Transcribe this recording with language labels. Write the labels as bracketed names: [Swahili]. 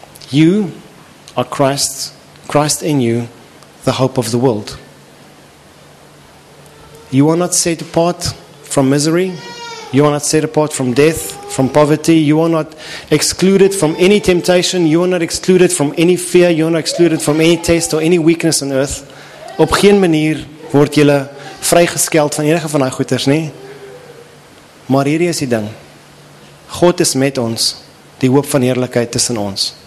[English] You are Christ, Christ in you, the hope of the world. You are not set apart from misery. You are not set apart from death, from poverty. You are not excluded from any temptation. You are not excluded from any fear. You are not excluded from any test or any weakness on earth. [Afrikaans] Op geen manier word jy vrygeskeld van enige van daai goeters, nie. Maar hierdie is die ding. God is met ons, die hoop van heerlikheid tussen ons.